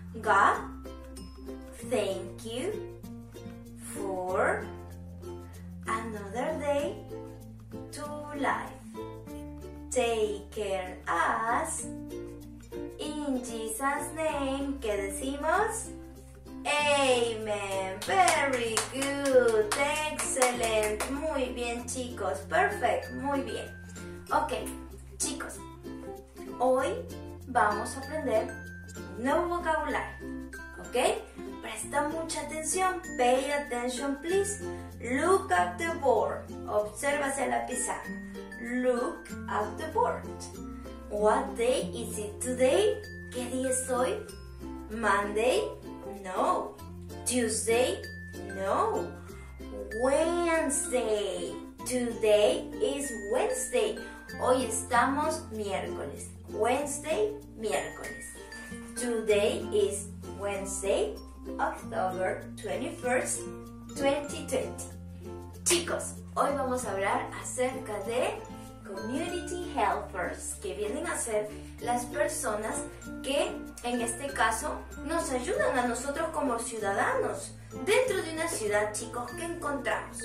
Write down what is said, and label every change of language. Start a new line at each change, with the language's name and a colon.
English: God, thank you for another day to life. Take care us. In Jesus' name,
Spanish: ¿qué decimos?
English: Amen. Very good. Excellent.
Spanish: Muy bien, chicos. Perfect. Muy bien. Ok, chicos. Hoy vamos a aprender un nuevo vocabulario, ¿ok? Presta mucha atención,
English: pay attention please. Look at the board,
Spanish: obsérvase la pizarra.
English: Look at the board. What day is it today?
Spanish: ¿Qué día es hoy?
English: Monday? No. Tuesday? No. Wednesday. Today is Wednesday.
Spanish: Hoy estamos miércoles. Wednesday, miércoles.
English: Today is Wednesday, October 21st, 2020.
Spanish: Chicos, hoy vamos a hablar acerca de community helpers, que vienen a ser las personas que, en este caso, nos ayudan a nosotros como ciudadanos dentro de una ciudad, chicos, que encontramos.